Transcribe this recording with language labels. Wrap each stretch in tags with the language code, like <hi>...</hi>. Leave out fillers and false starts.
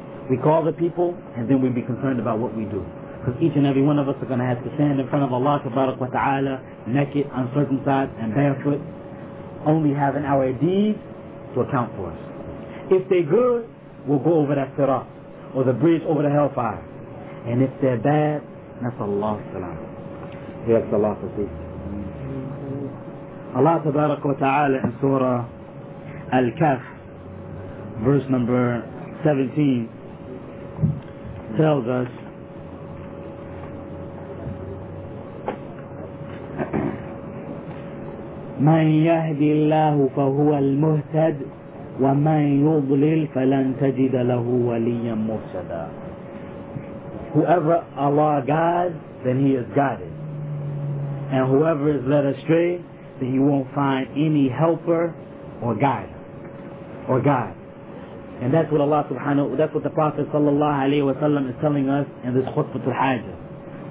<en>We call the people and then we'll be concerned about what we do. Because each and every one of us are going to have to stand in front of Allah tabaraka wa ta'ala naked, uncircumcised and barefoot, only having our deeds to account for us. If they're good, we'll go over that sirat or the bridge over the hellfire. And if they're bad, that's Allah salam. Yes, Allah for peace. Allah tabaraka wa ta'ala in Surah Al-Kahf, verse number 17, tells us,</en> <ar>من يهدي الله فهو المهتد ومن يضلل فلن تجد له وليا مرشدا.</ar> <en>Whoever Allah guides, then He is guided. And whoever is led astray, then you won't find any helper or guide. Or guide. And that's what Allah subhanahu wa ta'ala, that's what the Prophet sallallahu alayhi wa sallam is telling us in this khutbah al-hajjah.</en>